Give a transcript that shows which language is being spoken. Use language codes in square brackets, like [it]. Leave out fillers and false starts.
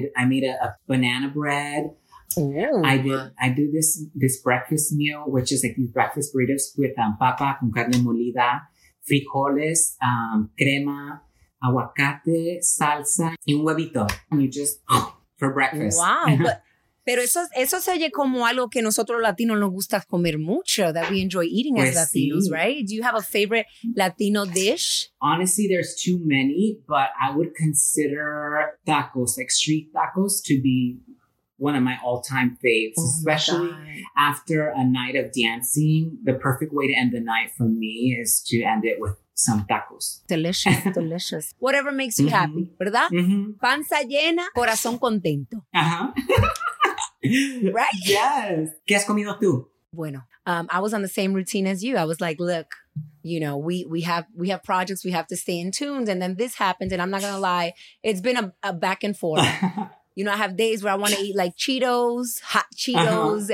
[en] I made a banana bread. Ooh. I do this breakfast meal, which is like these breakfast burritos with [es] papa con carne molida, frijoles, crema, aguacate, salsa, y un huevito. [en] And you just, for breakfast. Wow. [es] Pero eso se oye como algo que nosotros latinos nos gusta comer mucho, [en] that we enjoy eating [es] pues [en] as Latinos, [es] sí. [en] Right? Do you have a favorite Latino dish? Honestly, there's too many, but I would consider tacos, like street tacos, to be one of my all-time faves, especially after a night of dancing. The perfect way to end the night for me is to end it with some tacos. Delicious, delicious. Whatever makes you happy, [es] ¿verdad? Mm-hmm. Panza llena, corazón contento. Uh-huh. [en] Right? [es] Yes. ¿Qué has comido tú? [en] Bueno, I was on the same routine as you. I was like, look, you know, we have projects, we have to stay in tune. And then this happened, and I'm not going to lie, it's been a back and forth. You know, I have days where I want to eat like Cheetos, hot Cheetos. Uh-huh.